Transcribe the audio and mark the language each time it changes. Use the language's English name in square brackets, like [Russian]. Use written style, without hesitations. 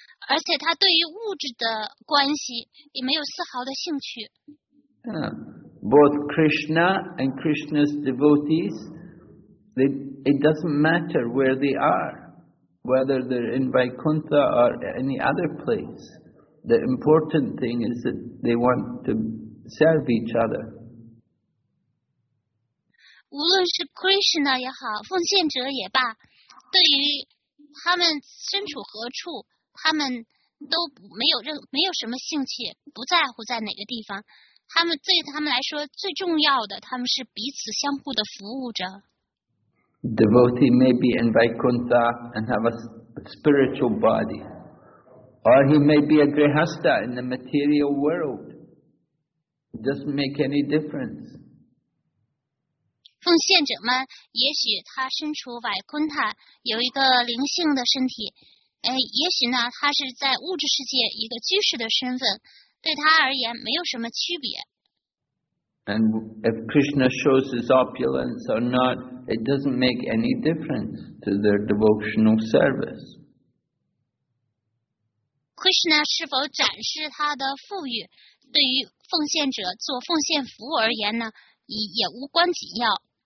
[Chinese] 而且他对于物质的关系也没有丝毫的兴趣。 [English] Both Krishna and Krishna's devotees, it doesn't matter where they are, whether they're in Vaikuntha or any other place. The important thing is that they want to serve each other. [Chinese] 无论是 Krishna 也好，奉献者也罢，对于他们身处何处。他们都没有什么兴趣，不在乎在哪个地方。他们对他们来说最重要的，他们是彼此相互的服务者。 [English] Devotee may be in Vaikuntha and have a spiritual body, or he may be a grihastha in the material world. It doesn't make any difference. [Chinese] 奉献者们，也许他身处Vaikuntha，有一个灵性的身体。也许呢，他是在物质世界一个居士的身份，对他而言没有什么区别。 [English] And if Krishna shows his opulence or not, it doesn't make any difference to their devotional service. [Chinese] Krishna 是否展示他的富裕，对于奉献者做奉献服务而言呢，也无关紧要。